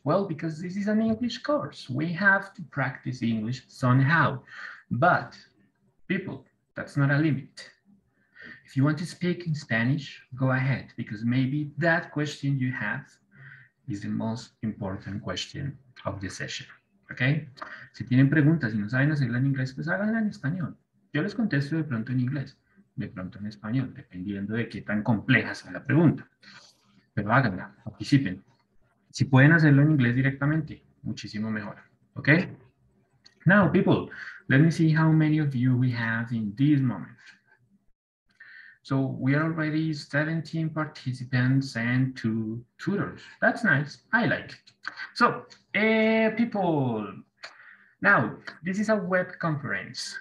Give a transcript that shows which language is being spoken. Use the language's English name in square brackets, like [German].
[English] Well, because this is an English course. We have to practice English somehow. But people, that's not a limit. If you want to speak in Spanish, go ahead, because maybe that question you have is the most important question of the session, okay? [Spanish] Si tienen preguntas y no saben hacerla en inglés, pues háganla en español. Yo les contesto de pronto en inglés, de pronto en español, dependiendo de qué tan compleja sea la pregunta. Pero háganla, participen. Si pueden hacerlo en inglés directamente, muchísimo mejor, okay? [English] Now, people, let me see how many of you we have in this moment. So we are already 17 participants and 2 tutors. That's nice. I like it. So, people, now, this is a web conference.